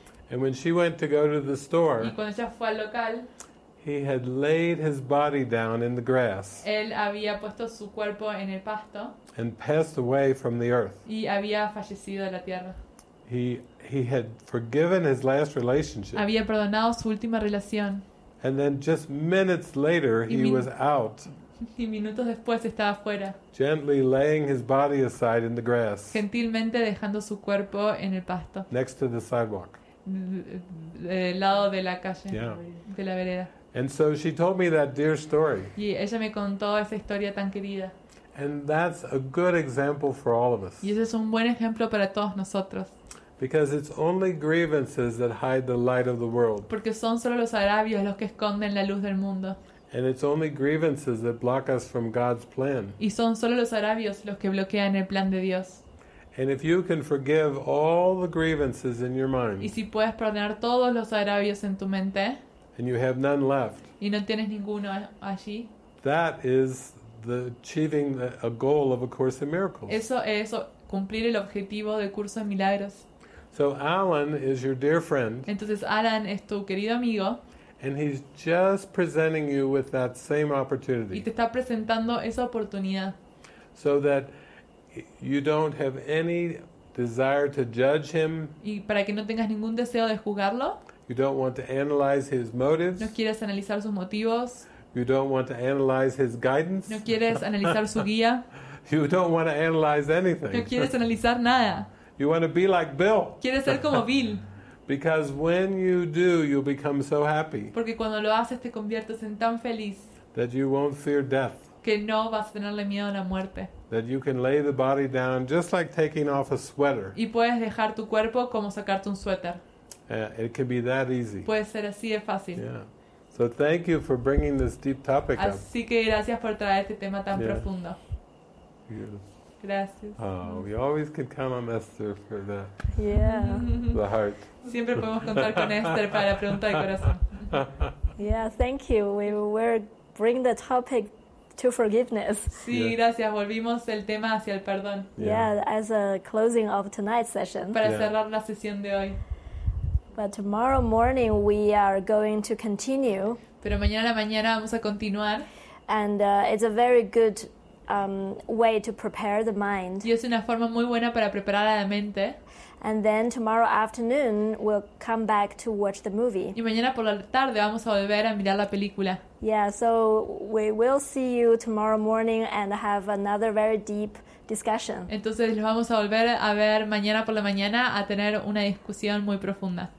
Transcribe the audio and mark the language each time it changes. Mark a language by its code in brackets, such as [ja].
[en] And when she went to go to the store, [es] y cuando ella fue al local, [en] he had laid his body down in the grass. [es] Él había puesto su cuerpo en el pasto. [en] And passed away from the earth. [es] Y había fallecido de la tierra. [en] He had forgiven his last relationship. [es] Había perdonado su última relación. [en] And then just minutes later, he was out. [es] Y minutos después estaba fuera. [en] Gently laying his body aside in the grass. [es] Gentilmente dejando su cuerpo en el pasto. [en] Next to the sidewalk. [es] Del lado de la calle, de la vereda. [en] And so she told me that dear story. [es] Y ella me contó esa historia tan querida. [en] And that's a good example for all of us. [es] Y ese es un buen ejemplo para todos nosotros. [en] Because it's only grievances that hide the light of the world. [es] Porque son solo los agravios los que esconden la luz del mundo. [en] And it's only grievances that block us from God's plan. [es] Y son solo los agravios los que bloquean el plan de Dios. [en] And if you can forgive all the grievances in your mind. [es] Y si puedes perdonar todos los agravios en tu mente. [en] And you have none left. [es] Y no tienes ninguno allí. [en] That is the achieving a goal of A Course in Miracles. [es] Eso es cumplir el objetivo del curso de milagros. [en] So Alan is your dear friend. [es] Entonces Alan es tu querido amigo. [en] And he's just presenting you with that same opportunity. [es] Y te está presentando esa oportunidad. [en] So that you don't have any desire to judge him. [es] Y para que no tengas ningún deseo de juzgarlo. [en] You don't want to analyze his motives. [es] No quieres analizar sus motivos. [en] You don't want to analyze his guidance. [es] No quieres analizar su guía. [en] You don't want to analyze anything. [es] No quieres analizar nada. [en] You want to be like Bill. [es] Quieres ser como Bill. [en] Because when you do, you become so happy. [es] Porque cuando lo haces te conviertes en tan feliz. [en] That you won't fear death. [es] Que no vas a tenerle miedo a la muerte. [en] That you can lay the body down just like taking off a sweater. [es] Y puedes dejar tu cuerpo como sacarte un suéter. [en] It can be that easy. [es] Puede ser así de fácil. [en] Yeah. So thank you for bringing this deep topic up. [es] Así que gracias por traer este tema tan profundo. Gracias. [en] Oh, we always can count on Esther for the the heart. [es] Siempre podemos contar con Esther para la pregunta de corazón. [en] Yeah, thank you. We were bring the topic to forgiveness. [es] Sí, gracias. Volvimos el tema hacia el perdón. [en] Yeah, as a closing of tonight's session. [es] Para cerrar la sesión de hoy. [en] But tomorrow morning we are going to continue. [es] Pero mañana a la mañana vamos a continuar. [en] And it's a very good way to prepare the mind. [es] Y es una forma muy buena para preparar a la mente. [en] And then tomorrow afternoon we'll come back to watch the movie. [es] Y mañana por la tarde vamos a volver a mirar la película. [en] Yeah, so we will see you tomorrow morning and have another very deep discussion. [es] Entonces los vamos a volver a ver mañana por la mañana a tener una discusión muy profunda.